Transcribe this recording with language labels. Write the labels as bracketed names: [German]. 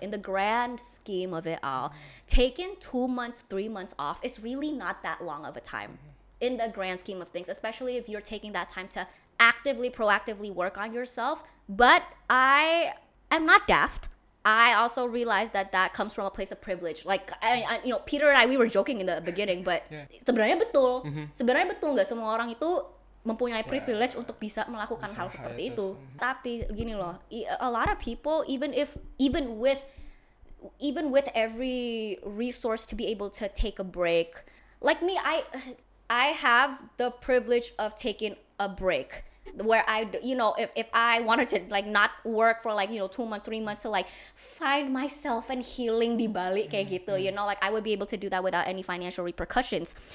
[English] In the grand scheme of it all, taking 2 months, 3 months off is really not that long of a time in the grand scheme of things, especially if you're taking that time to actively, proactively work on yourself. But I am not daft. I also realized that that comes from a place of privilege. Like, I you know, Peter and I, we were joking in the beginning, but [Indonesian] sebenarnya betul. Sebenarnya betul nggak semua orang itu mempunyai privilege untuk bisa melakukan hal seperti itu. Tapi gini loh, [English] a lot of people, even with every resource to be able to take a break, like me, I have the privilege of taking a break. where I, you know, if I wanted to like not work for like, you know, 2 months, 3 months to like find myself and healing [Indonesian] di balik kayak gitu, [English] you know, like I would be able to do that without any financial repercussions.